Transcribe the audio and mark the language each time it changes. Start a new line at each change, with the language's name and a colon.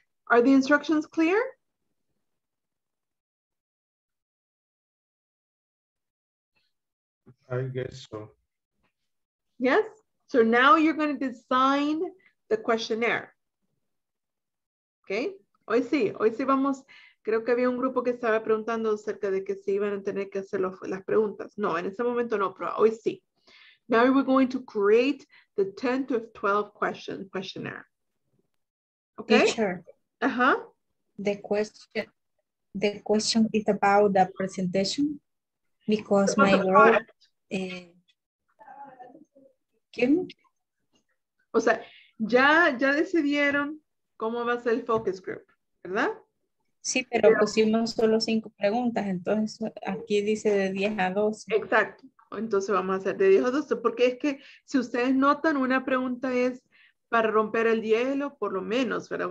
English: Are the instructions clear? I guess so. Yes? So now you're going to design the questionnaire.
Spanish: Okay? Hoy sí vamos. Creo que había un grupo que estaba preguntando acerca de que se iban a tener que hacer las preguntas. No, en ese momento no, pero hoy sí.
English: Now we're going to create the 10 to 12 question questionnaire. Okay? Teacher. Uh-huh. The question is about the presentation because my work...
Spanish: ¿quién? O sea, ya decidieron cómo va a ser el focus group, ¿verdad? Sí, pero pusimos solo 5 preguntas, entonces aquí dice de 10 a 12. Exacto, entonces vamos a hacer de 10 a 12, porque es que si ustedes notan, una pregunta es para romper el hielo, por lo menos, ¿verdad?